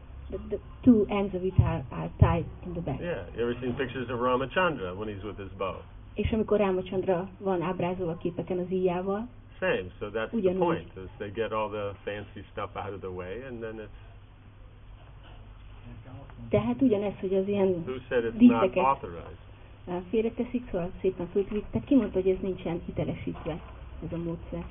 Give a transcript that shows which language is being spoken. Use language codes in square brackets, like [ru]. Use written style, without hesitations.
[en] The two ends of it are tied in the back. Yeah, you ever seen pictures of Ramachandra when he's with his bow? [hu] És amikor Ramachandra van ábrázolva képeken az íjával? [en] Same, so that's [hu] ugyanúgy. [en] The point, is they get all the fancy stuff out of the way, and then it's... [hu] Tehát ugyanez, hogy az ilyen [en] who said it's not authorized? [hu] Félreteszik, szóval szépen fölkülik. Tehát ki mondta, hogy ez nincsen hitelesítve, ez a módszer.